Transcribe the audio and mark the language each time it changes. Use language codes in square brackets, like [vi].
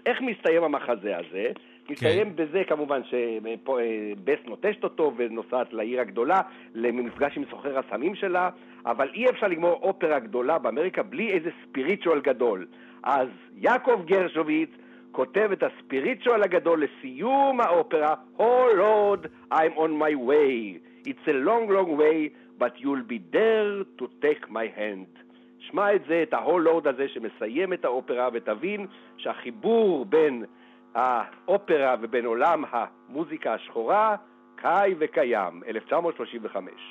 [he] איך מסתיים המחזה הזה? מסתיים בזה כמובן שבס נוטשת אותו ונוסעת לעיר הגדולה למפגש עם סוחר הסמים שלה, אבל אי אפשר לגמור אופרה גדולה באמריקה בלי איזה ספיריטואל גדול. אז יעקב גרשוביץ כותב את הספיריטואל הגדול לסיום האופרה, [en] Oh Lord, I'm on my way. It's a long, long way, but you'll be there to take my hand. [he] שמע את זה, את ה-Whole Lord הזה שמסיים את האופרה, ותבין שהחיבור בין האופרה ובין עולם המוזיקה השחורה, חי וקיים, 1935.